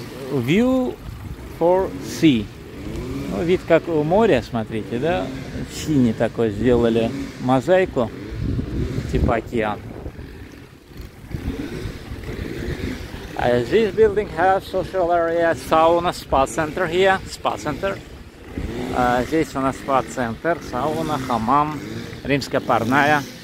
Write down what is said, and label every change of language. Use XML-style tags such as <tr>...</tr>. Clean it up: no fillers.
<en>View for sea.</en> <ru>Ну, вид как у моря, смотрите, да? Синий такой сделали мозаику, типа океан.</ru> <en>This building has social area, sauna, spa center here. Spa center.</en> <ru>Здесь у нас спа-центр, сауна, хамам, римская парная.</ru>